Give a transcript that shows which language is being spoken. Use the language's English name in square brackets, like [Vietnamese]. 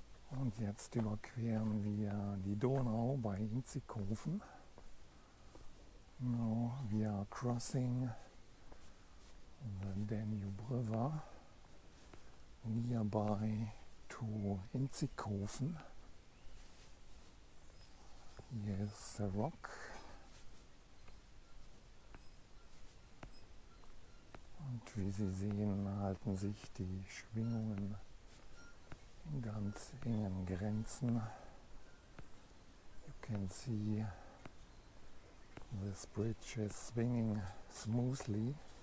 [German] Und jetzt überqueren wir die Donau bei Inzighofen. [English] Now we are crossing the Danube River nearby to Inzighofen. Here is the rock. [German] Und wie Sie sehen, halten sich die Schwingungen in ganz engen Grenzen. [English] You can see this bridge is swinging smoothly.